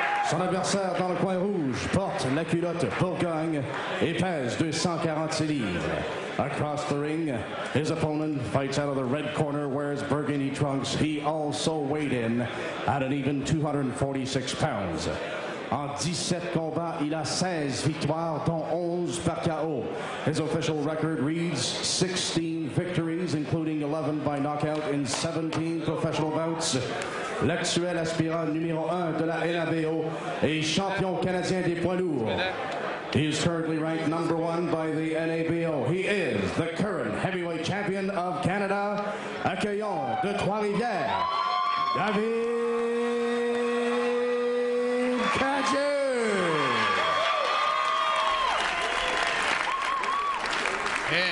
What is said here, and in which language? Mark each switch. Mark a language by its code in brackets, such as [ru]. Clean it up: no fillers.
[fr] Son adversaire dans le coin rouge porte la culotte Bourgogne et pèse 246 livres. [en] Across the ring, his opponent fights out of the red corner, wears burgundy trunks. He also weighed in at an even 246 pounds. [fr] En 17 combats, il a 16 victoires, dont 11 par KO. [en] His official record reads 16 victories, including 11 by knockout in 17 professional bouts. [fr] L'actuel aspirant numéro 1 de la NABO est champion canadien des poids lourds. [en] He is currently ranked number 1 by the NABO. He is the current heavyweight champion of Canada. [fr] Accueillons de Trois-Rivières, David Cadieux.